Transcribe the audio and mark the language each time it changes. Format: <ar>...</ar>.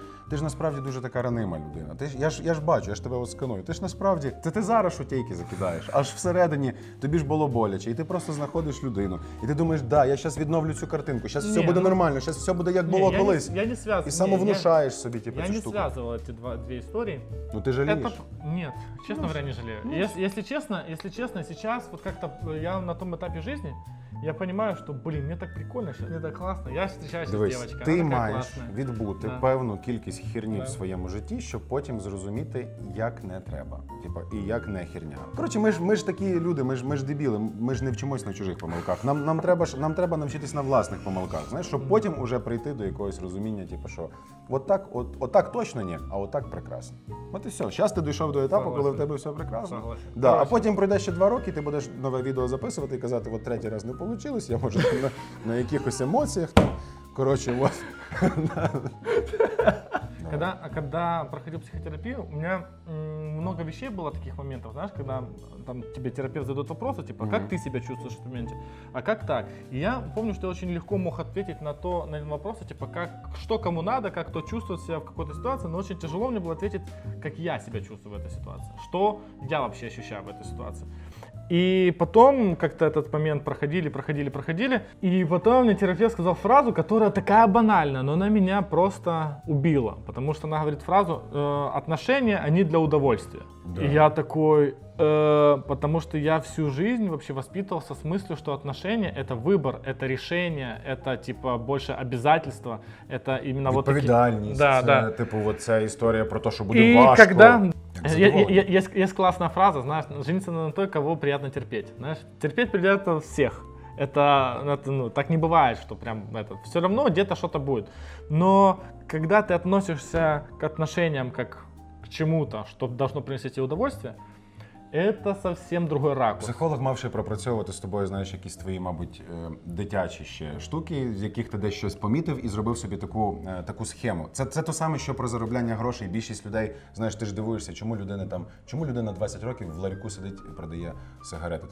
<uk>Ти ж насправді дуже така ранима людина. Я ж тебе от сканую. Ти ж насправді, ти зараз шутейки закидаєш, аж всередині тобі ж було боляче. І ти просто знаходиш людину. І ти думаєш, да, я зараз відновлю цю картинку, зараз все буде нормально, зараз все буде як було колись. Я не і самовнушаєш собі, типу, цю штуку. Я не зв'язував ці дві історії.</uk> <ru>Ну ты жалеешь? Это... Нет, честно говоря, не жалею. Если честно, сейчас вот как-то я на том этапе жизни, Я понимаю,</ru> <uk>що, блін, мені так прикольно, що мені так класно. Я зустрічаюся з дівчинкою, вона така класна. Ти маєш відбути певну кількість херні в своєму житті, щоб потім зрозуміти, як не треба. Типа, і як не херня. Коротше, ми ж такі люди, ми ж дебіли, ми ж не вчимось на чужих помилках. Нам треба навчитись на власних помилках, знаєш, щоб потім уже прийти до якогось розуміння, типу, що отак точно ні, а отак прекрасно. От і все. Зараз ти дійшов до етапу, коли в тебе все прекрасно. Да. А потім пройде ще 2 роки, ти будеш нове відео записувати і казати, от третій раз не получилось, я може на якихось емоціях. Коротше, от.</uk> <ru>Когда проходил психотерапию, у меня много вещей было таких моментов, знаешь, когда там тебе терапевт задает вопросы, типа, как ты себя чувствуешь в этом моменте, а как так? И я помню, что я очень легко мог ответить на вопросы, типа, как, что кому надо, как кто чувствует себя в какой-то ситуации, но очень тяжело мне было ответить, как я себя чувствую в этой ситуации, что я вообще ощущаю в этой ситуации. И потом как-то этот момент проходили. И потом мне терапевт сказал фразу, которая такая банальная, но она меня просто убила. Потому что она говорит фразу, отношения, они для удовольствия. Да. И я такой, потому что я всю жизнь вообще воспитывался с мыслью, что отношения это выбор, это решение, это типа больше обязательство, это именно вот такие...</ru> <uk>Відповідальність, типу вот ця історія про то, що буде важко.</uk> <ru>И когда... Есть классная фраза, знаешь, жениться на той, кого приятно терпеть. Знаешь, терпеть приятно всех. Это ну, так не бывает, что прям это. Все равно где-то что-то будет. Но когда ты относишься к отношениям как к чему-то, что должно принести тебе удовольствие, это совсем другой ракурс.</ru> <uk>Психолог мав ще пропрацьовувати з тобою, знаєш, якісь твої, мабуть, дитячі ще штуки, з яких ти десь щось помітив і зробив собі таку схему. Це то саме, що про заробляння грошей. Більшість людей, знаєш, ти ж дивуєшся, чому людина 20 років в ларьку сидить і продає сигарети.</uk>